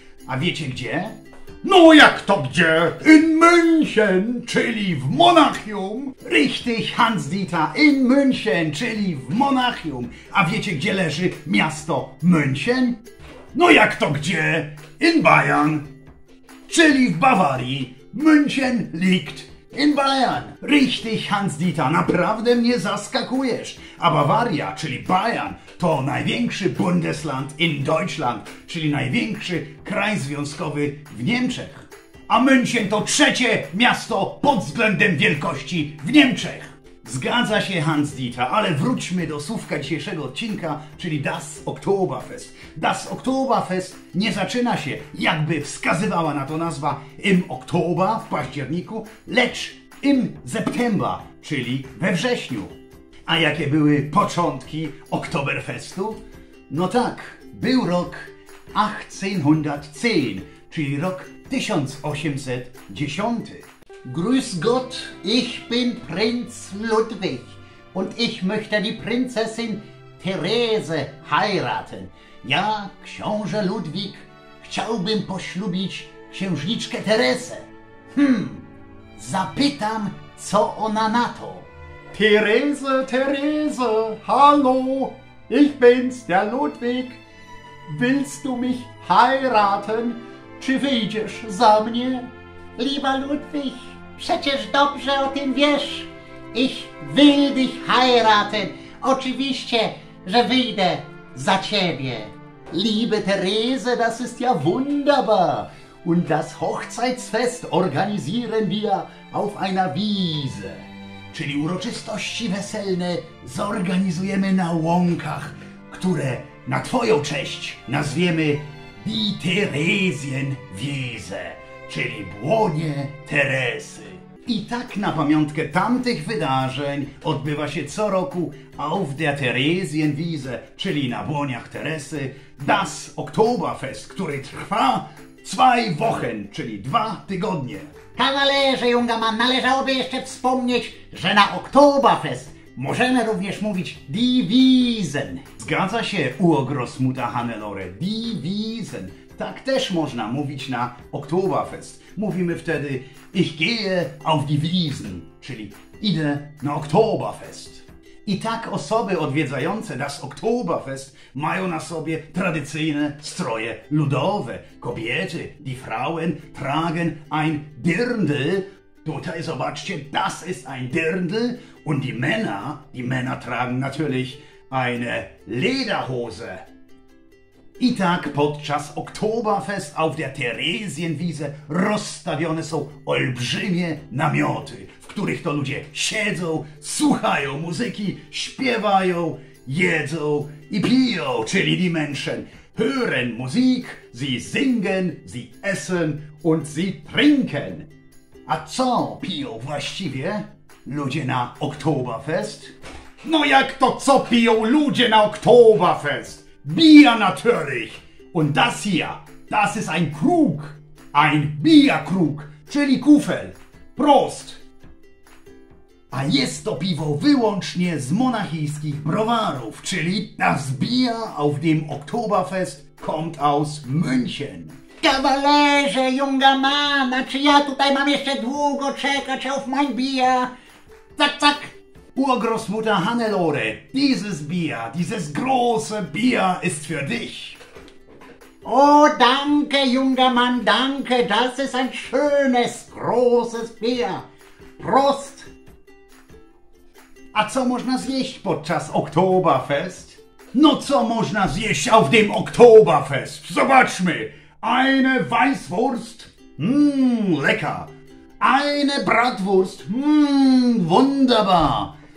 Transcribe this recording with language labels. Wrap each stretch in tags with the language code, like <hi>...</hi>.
<pl>A wiecie gdzie? No jak to gdzie?</pl> <de>In München,</de> <pl>czyli w Monachium.</pl> <de>Richtig,</de> <pl>Hans Dieter,</pl> <de>in München,</de> <pl>czyli w Monachium. A wiecie gdzie leży miasto München? No jak to gdzie?</pl> <de>In Bayern,</de> <pl>czyli w Bawarii.</pl> <de>München liegt in Bayern. Richtig,</de> <pl>Hans Dieter, naprawdę mnie zaskakujesz. A Bawaria, czyli Bayern, to największy Bundesland</pl> <de>in Deutschland,</de> <pl>czyli największy kraj związkowy w Niemczech. A München to trzecie miasto pod względem wielkości w Niemczech. Zgadza się, Hans Dieter, ale wróćmy do słówka dzisiejszego odcinka, czyli Das Oktoberfest. Das Oktoberfest nie zaczyna się, jakby wskazywała na to nazwa,</pl> <de>im Oktober,</de> <pl>w październiku, lecz</pl> <de>im September,</de> <pl>czyli we wrześniu. A jakie były początki Oktoberfestu? No tak, był rok 1810, czyli rok 1810.</pl> <de>Grüß Gott, ich bin Prinz Ludwig und ich möchte die Prinzessin Therese heiraten.</de> <pl>Ja, książę Ludwik, chciałbym poślubić księżniczkę Teresę. Zapytam, co ona na to.</pl> <de>Therese, Therese, hallo, ich bin's, der Ludwig. Willst du mich heiraten?</de> <pl>Czy wyjdziesz za mnie?</pl> <de>Lieber Ludwig,</de> <pl>przecież dobrze o tym wiesz.</pl> <de>Ich will dich heiraten.</de> <pl>Oczywiście, że wyjdę za ciebie.</pl> <de>Liebe Therese, das ist ja wunderbar. Und das Hochzeitsfest organisieren wir auf einer Wiese.</de> <pl>Czyli uroczystości weselne zorganizujemy na łąkach, które na twoją cześć nazwiemy Die Theresienwiese, czyli Błonie Teresy. I tak na pamiątkę tamtych wydarzeń odbywa się co roku</pl> <de>auf der Theresienwiese,</de> <pl>czyli na Błoniach Teresy, Das Oktoberfest, który trwa</pl> <de>zwei Wochen,</de> <pl>czyli dwa tygodnie. Kawalerze Jungermann, należałoby jeszcze wspomnieć, że na Oktoberfest możemy również mówić Die Wiesen. Zgadza się,</pl> <de>Urgroßmutter Hannelore,</de> <pl>Die Wiesen. Tak też można mówić na Oktoberfest. Mówimy wtedy</pl> <de>Ich gehe auf die Wiesen,</de> <pl>czyli idę na Oktoberfest. I tak osoby odwiedzające das Oktoberfest mają na sobie tradycyjne stroje ludowe. Kobiety,</pl> <de>die Frauen, tragen ein Dirndl.</de> <pl>Tutaj zobaczcie,</pl> <de>das ist ein Dirndl. Und die Männer tragen natürlich eine Lederhose.</de> <pl>I tak podczas Oktoberfest auf der Theresienwiese rozstawione są olbrzymie namioty, w których to ludzie siedzą, słuchają muzyki, śpiewają, jedzą i piją, czyli</pl> <de>die Menschen hören Musik, sie singen, sie essen und sie trinken.</de> <pl>A co piją właściwie ludzie na Oktoberfest? No jak to co piją ludzie na Oktoberfest?</pl> <de>Bier natürlich! Und das hier, das ist ein Krug, ein Bierkrug,</de> <pl>czyli kufel.</pl> <de>Prost!</de> <pl>A jest to piwo wyłącznie z monachijskich browarów, czyli</pl> <de>das Bier auf dem Oktoberfest kommt aus München.</de> <pl>Kawalerze,</pl> <de>junger Mann,</de> <pl>a czy ja tutaj mam jeszcze długo czekać</pl> <de>auf mein Bier? Zack, zack! Urgroßmutter Hannelore, dieses Bier, dieses große Bier ist für dich. Oh, danke, junger Mann, danke, das ist ein schönes, großes Bier. Prost!</de> <pl>A co można zjeść podczas Oktoberfest? No co można zjeść</pl> <de>auf dem Oktoberfest?</de> <pl>Zobaczmy!</pl> <de>Eine Weißwurst? Lecker! Eine Bratwurst? Wunderbar!</de>